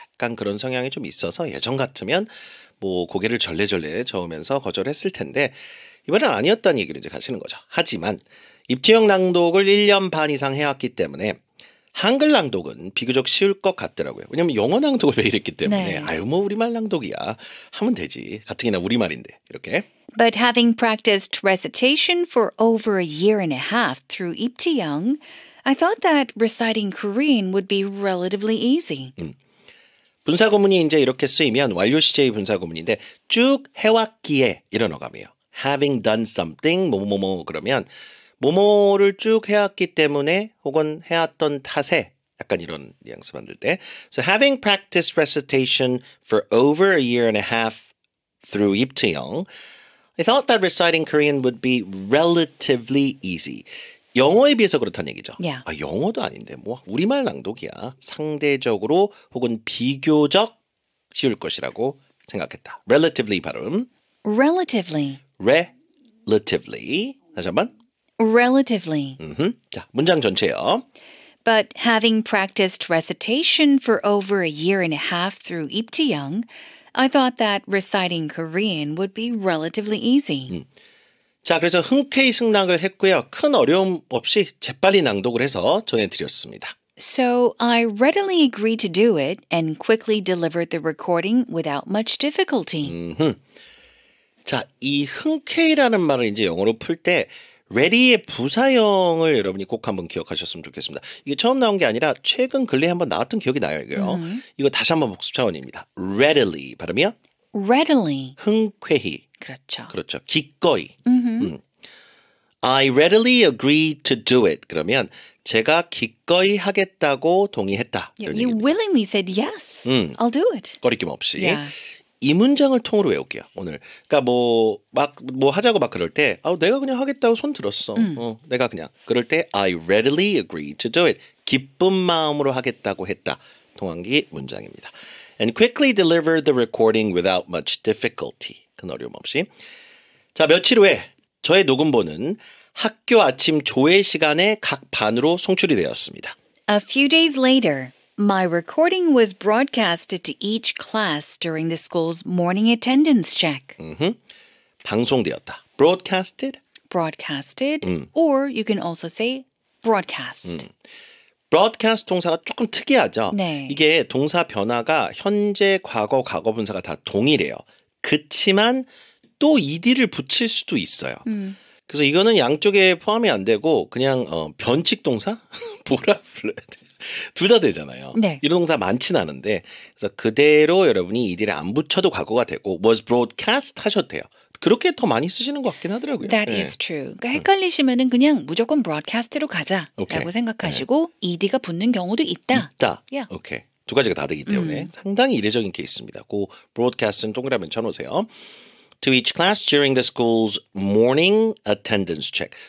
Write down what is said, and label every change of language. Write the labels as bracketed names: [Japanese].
[Korean] 약간 그런 성향이 좀 있어서 예전 같으면 뭐 고개를 절레절레 저으면서 거절했을 텐데 이번엔 아니었다는 얘기를 이제 가시는 거죠. 하지만 입지형 낭독을 1년 반 이상 해왔기 때문에 한글 낭독은 비교적 쉬울 것 같더라고요. 왜냐하면 영어 낭독을 매일 했기 때문에 네. 아유 뭐 우리말 낭독이야 하면 되지. 가뜩이나 우리말인데 이렇게. [English] But having practiced recitation for over a year and a half through 입지형, I thought that reciting Korean would be relatively easy. [Korean] 분사구문이 이제 이렇게 쓰이면 완료시제의 분사구문인데 쭉 해왔기에 이런 어감이에요. [English] Having done something [Korean] 뭐뭐뭐 그러면 뭐뭐를 쭉 해왔기 때문에 혹은 해왔던 탓에 약간 이런 뉘앙스 만들 때 [English] So having practiced recitation for over a year and a half through 입지형 I thought that reciting Korean would be relatively easy. [Korean] 영어에 비해서 그렇다는 얘기죠. [English] Yeah. [Korean] 아, 영어도 아닌데 뭐 우리말 낭독이야. 상대적으로 혹은 비교적 쉬울 것이라고 생각했다. Relatively 발음. [English] Relatively. [Korean] Relatively. 다시 한번. [English] Relatively. [Korean] 자, 문장 전체요. [English] But having practiced recitation for over a year and a half through 입지형, I thought that reciting Korean would be relatively easy. [Korean] 자, 그래서 흔쾌히 승낙을 했고요. 큰 어려움 없이 재빨리 낭독을 해서 전해드렸습니다. [English] So I readily agreed to do it and quickly delivered the recording without much difficulty. [Korean] 자, 이 흔쾌히라는 말을 이제 영어로 풀 때 Ready의 부사형을 여러분이 꼭 한번 기억하셨으면 좋겠습니다. 이게 처음 나온 게 아니라 최근 근래에 한번 나왔던 기억이 나요, 이거요. 이거 다시 한번 복습 차원입니다. Readily, 발음이요? [English] Readily. [Korean] 흔쾌히. 그렇죠. 그렇죠. 기꺼이. [English] I readily agreed to do it. [Korean] 그러면 제가 기꺼이 하겠다고 동의했다. [English] Yeah, you willingly said yes, I'll do it. [Korean] 거리낌 없이. [English] Yeah. [Korean] 이 문장을 통으로 외울게요 오늘. 그러니까 뭐 하자고 막 그럴 때, 아, 내가 그냥 하겠다고 손 들었어. 내가 그냥 그럴 때, [English] I readily agreed to do it. [Korean] 기쁜 마음으로 하겠다고 했다. 통한 게 문장입니다. [English] And quickly delivered the recording without much difficulty. [Korean] 큰 어려움 없이. 자 며칠 후에 저의 녹음본은 학교 아침 조회 시간에 각 반으로 송출이 되었습니다. [English] A few days later. My recording was broadcasted to each class during the school's morning attendance check. [Korean] 방송되었다. Broadcasted? [English] Broadcasted. Or you can also say broadcast. [Korean] Broadcast 동사가 조금 특이하죠? 네. 이게 동사 변화가 현재, 과거, 과거 분사가 다 동일해요. 그치만 또 ED를 붙일 수도 있어요. 그래서 이거는 양쪽에 포함이 안 되고 그냥 변칙 동사? 뭐라 불러야 돼? 둘 다 되잖아요. 네. 이런 동사 많진 않은데 그래서 그대로 여러분이 이 뒤를 안 붙여도 과거가 되고 was broadcast 하셔도 돼요. 그렇게 더 많이 쓰시는 것 같긴 하더라고요. That 네. is true. 그러니까 헷갈리시면은 그냥 무조건 broadcast로 가자라고 okay. 생각하시고 네. ed가 붙는 경우도 있다. [English] 있다. Yeah. Okay. [Korean] 두 가지가 다 되기 때문에 상당히 이례적인 케이스입니다. 고 broadcast는 동그라미 쳐놓으세요. [English] To each class during the school's morning attendance check.